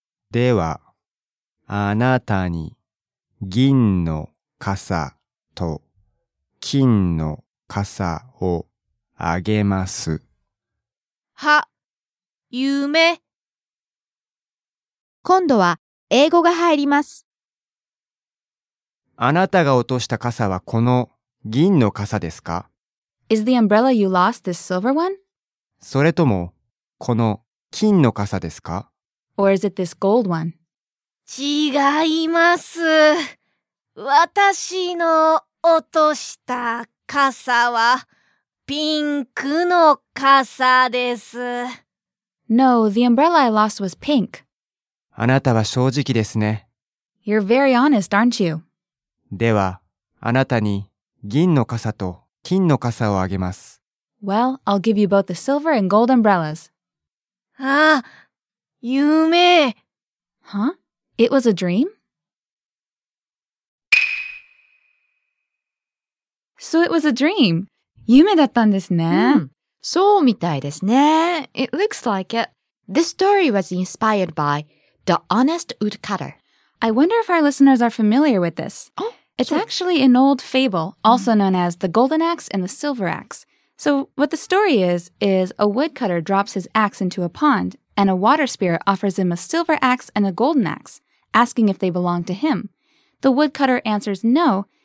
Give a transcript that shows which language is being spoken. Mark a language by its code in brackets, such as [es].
[ja] ではあなたに銀の傘と金の傘をあげます。は、夢。今度は英語が入ります。あなたが落とした傘はこの銀の傘ですか？ [en] Is the umbrella you lost this silver one? [ja] それともこの金の傘ですか？ [en] Or is it this gold one? [ja] 違います。私の落とした傘はピンクの傘です。 [en] No, the umbrella I lost was pink. [ja] あなたは正直ですね。 [en] You're very honest, aren't you? [ja] では、あなたに銀の傘と金の傘をあげます。 [en] Well, I'll give you both the silver and gold umbrellas. [ja] ああ、夢。 [en] Huh? It was a dream? So it was a dream. [ja] 夢だったんですね。うん、そうみたいですね。 [en] It looks like it. This story was inspired by The Honest Woodcutter. I wonder if our listeners are familiar with this. Oh, it's sure. actually an old fable, also known as The Golden Axe and the Silver Axe. So what the story is a woodcutter drops his axe into a pond, and a water spirit offers him a silver axe and a golden axe, asking if they belong to him. The woodcutter answers no,